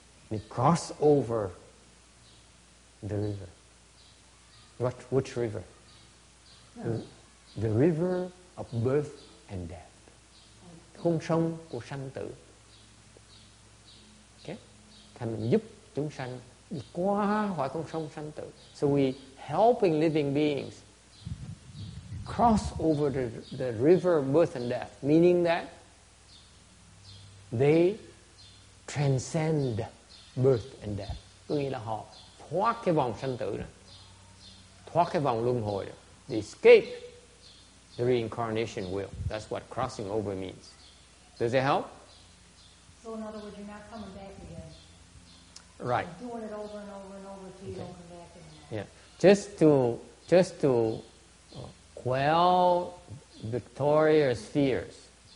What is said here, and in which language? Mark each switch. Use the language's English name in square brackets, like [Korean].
[English] You cross over the river. Which river? The river of birth and death. [Vietnamese] Con sông của sanh tử. [English] Okay? [Vietnamese] Thành mình giúp chúng sanh đi qua khỏi con sông sanh tử. [English] So we helping living beings cross over the river of birth and death, meaning that they transcend birth and death. [Vietnamese] Có nghĩa là họ thoát cái vòng sanh tử này, thoát cái vòng luân hồi này, [English] they escape the reincarnation will. That's what crossing over means. Does it help? So in other words, you're not coming back again. Right. Doing it over and over and over until you don't come back anymore. Yeah. Just to quell victorious fears.